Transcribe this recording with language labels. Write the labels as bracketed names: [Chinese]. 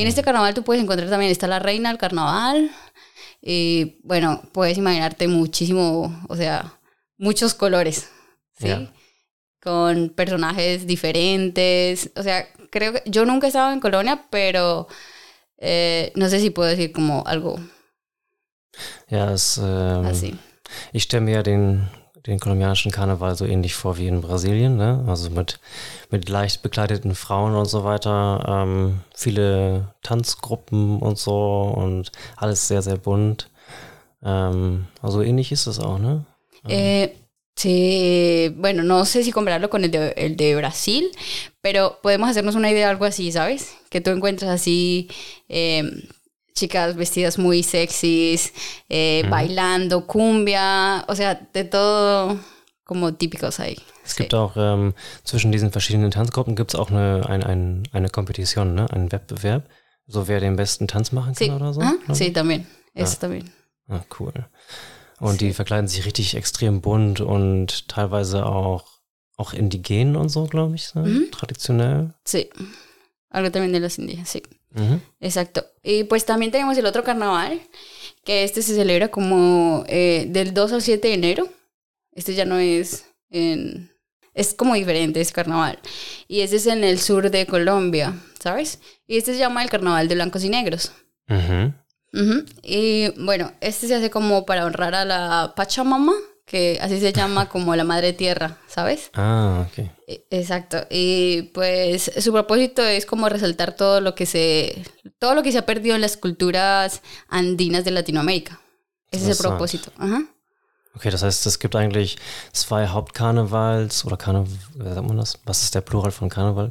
[Spanish] Y en este carnaval tú puedes encontrar también, está la reina del carnaval. Y bueno, puedes imaginarte muchísimo, o sea, muchos colores, ¿sí? Yeah. Con personajes diferentes. O sea, creo que yo nunca he estado en Colombia, pero no sé si puedo decir como algo. [German] Ja, es, [Spanish] así. [German] Ich stelle mir ja den kolumbianischen Karneval so ähnlich vor wie in Brasilien, ne? Also mit leicht bekleideten Frauen und so weiter, viele Tanzgruppen und so und alles sehr, sehr bunt. Also ähnlich ist das auch, ne? [Spanish] Sí, bueno, no sé si compararlo con el de Brasil, pero podemos hacernos una idea de algo así, ¿sabes? Que tú encuentras así. Chicas vestidas muy sexys, bailando cumbia, o sea, de todo como típicos ahí. [German] Es gibt auch zwischen diesen verschiedenen Tanzgruppen gibt es auch eine Competition, ne? Einen Wettbewerb, so wer den besten Tanz machen kann, [Spanish] sí. [German] Oder so. [Spanish] Sí, también. Ja. Eso también. Ah, cool. [German] Und sí. Die verkleiden sich richtig extrem bunt und teilweise auch indigen und so, glaube ich, ne? Traditionell. [Spanish] Sí. Algo también de los indígenas, sí. Uh-huh. Exacto. Y pues también tenemos el otro carnaval, que este se celebra como del 2 al 7 de enero. Este ya no es en... Es como diferente, es carnaval. Y este es en el sur de Colombia, ¿sabes? Y este se llama el Carnaval de Blancos y Negros. Uh-huh. Uh-huh. Y bueno, este se hace como para honrar a la Pachamama, que así se llama como la Madre Tierra, ¿sabes? Ah, ok. Exacto. Y pues su propósito es como resaltar todo lo que se ha perdido en las culturas andinas de Latinoamérica. Ese es el propósito. Uh-huh. [German] Okay, das heißt, es gibt eigentlich zwei Hauptkarnevals oder Karneval, wie sagt man das? Was ist der Plural von Karneval?